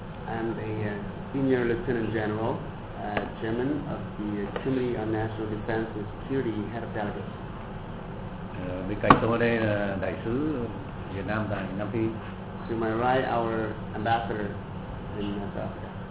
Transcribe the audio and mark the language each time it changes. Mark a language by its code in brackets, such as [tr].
[en] I'm the senior lieutenant general, chairman of the Committee on National Defense and Security, head of delegates. [vi] Bên cạnh tôi đây là đại sứ Việt Nam tại Nam Phi. [en] To my right, our ambassador in South Africa.